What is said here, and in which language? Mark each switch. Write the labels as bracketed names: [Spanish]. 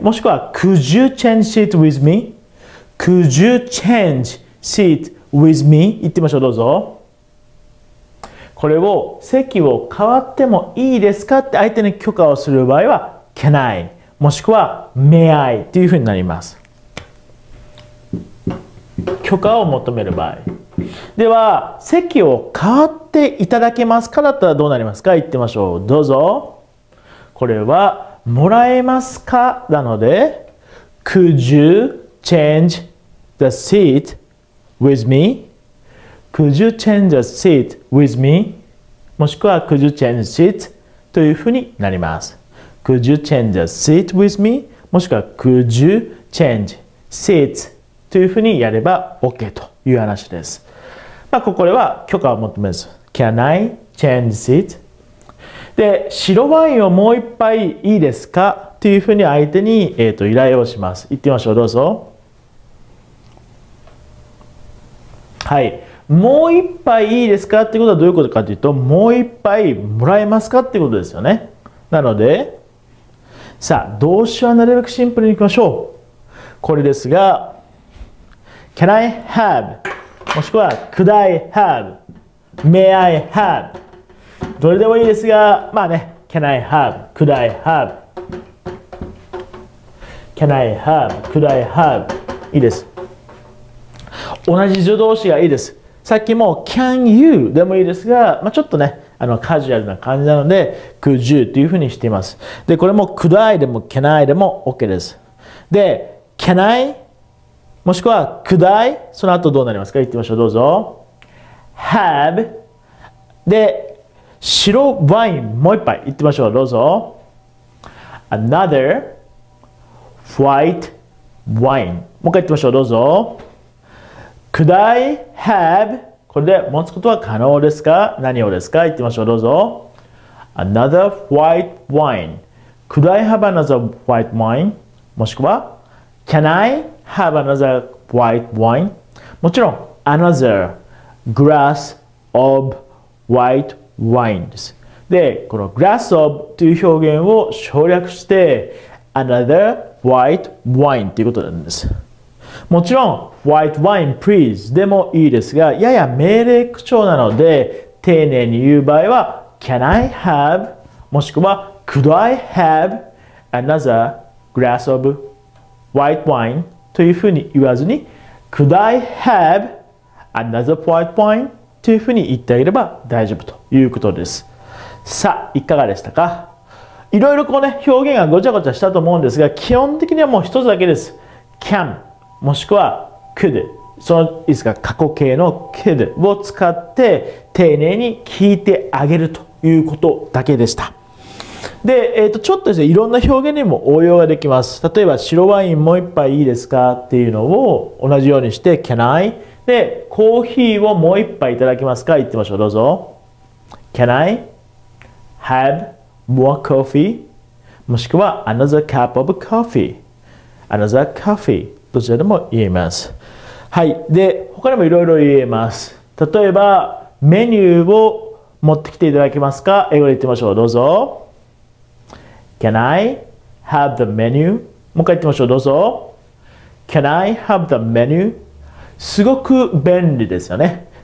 [English] もしくは、Could you change seat with me? Could you change seat with me? [Japanese] 言ってみましょう。どうぞ。これを、席を変わってもいいですかって相手に許可をする場合は、 [English] Can I? もしくは、May I? [Japanese] というふうになります。許可を求める場合。では、席を変わっていただけますかだったらどうなりますか、言ってみましょう。どうぞ。これは、もらえますかなので、 [English] Could you change the seat with me? Could you change the seat with me? もしくは、Could you change the seat? [Japanese] というふうになります。 [English] Could you change the seat with me? [Japanese] もしくは、 [English] Could you change seat [Japanese] というふうにやれば OK という話です。まあ、ここでは許可を求めず。 [English] Can I change seat? [Japanese] で、白ワインをもう一杯いいですかというふうに相手に、依頼をします。言ってみましょう。どうぞ。はい。もう一杯いいですかということはどういうことかというと、もう一杯もらえますかということですよね。なので、さあ、動詞はなるべくシンプルにいきましょう。 [English] これですが、Can I have? もしくは Could I have? May I have? [Japanese] どれでもいいですが、まあね、 [English] Can I have? Could I have? Can I have? Could I have? [Japanese] いいです。同じ助動詞がいいです。さっきも can you でもいいですが、まあ、ちょっとね、カジュアルな感じなので could you というふうにしています。で、これも [English] could I [Japanese] でも [English] can I [Japanese] でも OK です。で、can I もしくは could I、 その後どうなりますか、言ってみましょう。どうぞ。 [English] have [Japanese] で、白ワインもう一杯、言ってみましょう。どうぞ。 [English] another white wine、 [Japanese] もう一回言ってみましょう。どうぞ。 [English] Could I have、 [Japanese] これで持つことは可能ですか、何をですか、言ってみましょう。どうぞ。 [English] Another white wine、 Could I have another white wine、 もしくは Can I have another white wine、 [Japanese] もちろん [English] Another glass of white wine です。 [Japanese] で、この glass of という表現を省略して Another white wine ということなんです。もちろん [English] white wine please [Japanese] でもいいですが、やや命令口調なので丁寧に言う場合は [English] can I have [Japanese] もしくは [English] could I have another glass of white wine [Japanese] というふうに言わずに [English] could I have another white wine [Japanese] というふうに言ってあげれば大丈夫ということです。さあ、いかがでしたか。いろいろこうね、表現がごちゃごちゃしたと思うんですが、基本的にはもう一つだけです。 canもしくは could、 そのいつか過去形の could を使って丁寧に聞いてあげるということだけでした。で、ちょっとですね、いろんな表現にも応用ができます。例えば白ワインもう一杯いいですかっていうのを同じようにして [English] can I、 [Japanese] でコーヒーをもう一杯いただけますか、言ってみましょう。どうぞ。 [English] can I have more coffee、 もしくは another cup of coffee、 another coffee、 [Japanese] どちらでも言えます。はい。で、他にもいろいろ言えます。例えば、メニューを持ってきていただけますか？英語で言ってみましょう。どうぞ。 [English] Can I have the menu? [Japanese] もう一回言ってみましょう。どうぞ。 [English] Can I have the menu? [Japanese] すごく便利ですよね。